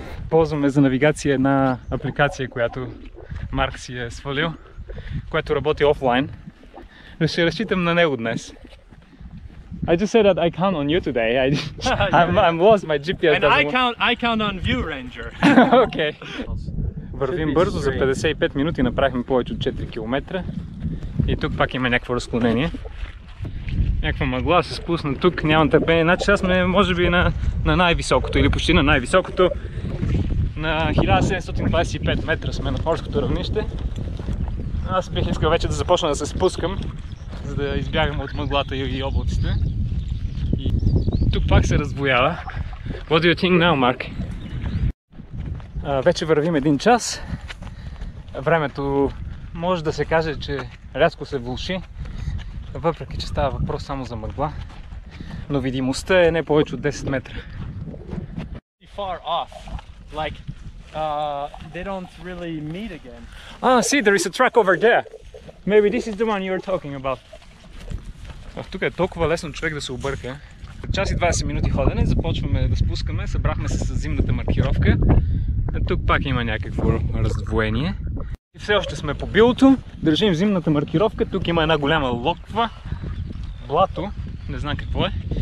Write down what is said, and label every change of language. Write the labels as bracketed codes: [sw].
[bg] ползваме за навигация една апликация, която Марк си е свалил, която работи офлайн. Ще разчитам на него днес. [en] I just said that I count on you today. I'm lost, my GPS doesn't work. And I count on View Ranger. Okay. [bg] Вървим бързо, за 55 минути направихме повече от 4 км. И тук пак има някакво разклонение. Някаква мъгла се спусна тук, нямам търпение. Значи аз сме може би на най-високото или почти на най-високото. На 1725 метра сме на морското равнище. Аз бих искал вече да започна да се спускам, за да избягам от мъглата и облаците. И тук пак се разбоява. [en] What do you think now, Mark? [bg] Вече вървим един час. Времето може да се каже, че рязко се влуши. Въпреки, че става въпрос само за мъгла. Но видимостта е не повече от 10 метра. [en] Far off. Like, they don't really meet again. Ah, see, there is a track over there. Maybe this is the one you're talking about. [bg] Тук е толкова лесно човек да се обърка. Час и 20 минути ходене, започваме да спускаме. Събрахме се с зимната маркировка. Тук пак има някакво раздвоение. Все още сме по билото. Държим зимната маркировка. Тук има една голяма локва. Блато. Не знам какво е.